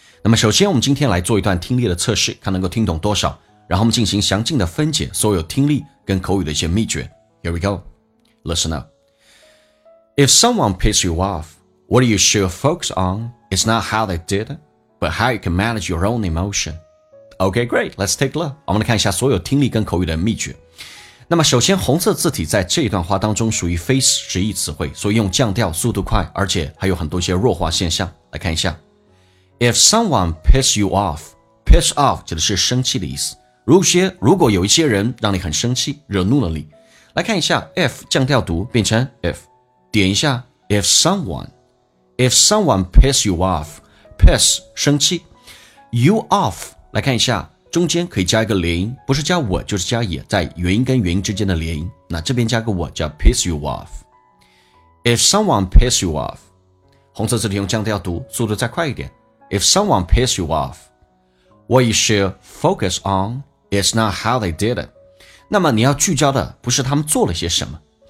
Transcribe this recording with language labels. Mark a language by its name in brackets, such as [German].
[Chinese] 那么首先我们今天来做一段听力的测试，看能够听懂多少，然后我们进行详尽的分解所有听力跟口语的一些秘诀。 [English] Here we go. Listen up. If someone piss you off, what you should focus on is not how they did, but how you can manage your own emotion. Okay, great, let's take a look. [Chinese] 我们来看一下所有听力跟口语的秘诀。那么首先红色字体在这一段话当中属于非实义词汇，所以用降调，速度快，而且还有很多一些弱化现象。来看一下 [English] If someone piss you off， [Chinese] piss off 指的是生气的意思，如果有一些人让你很生气，惹怒了你。来看一下 if 降调读变成 if， 点一下 [English] if someone piss you off， [Chinese] piss 生气， you off， 来看一下中间可以加一个连音，不是加我就是加也，在元音跟元音之间的连音。那这边加个我叫 piss you off。 [English] If someone piss you off， [Chinese] 红色字体用降调读，速度再快一点。 [English] If someone piss you off， what you should focus on is not how they did it。 [Chinese] 那么你要聚焦的不是他们做了些什么。